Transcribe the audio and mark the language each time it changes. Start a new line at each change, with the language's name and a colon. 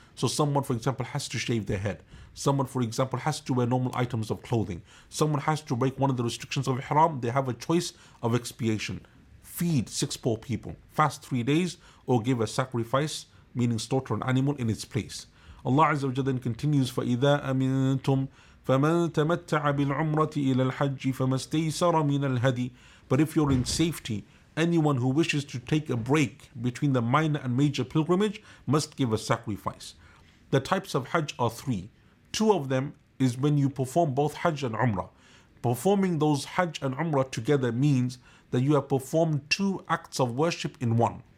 English: So someone, for example, has to shave their head. Someone, for example, has to wear normal items of clothing. Someone has to break one of the restrictions of ihram. They have a choice of expiation. Feed 6 poor people. Fast 3 days or give a sacrifice, meaning slaughter an animal in its place. Allah Azza wa Jalla then continues,
Arabic: فَإِذَا أَمِنْتُمْ فَمَنْ تَمَتَّعَ بِالْعُمْرَةِ إِلَى الْحَجِّ فَمَا اسْتَيْسَرَ مِنَ الْهَدِي.
English: But if you're in safety, anyone who wishes to take a break between the minor and major pilgrimage must give a sacrifice. The types of Hajj are 3. 2 of them is when you perform both Hajj and Umrah. Performing those Hajj and Umrah together means that you have performed 2 acts of worship in one.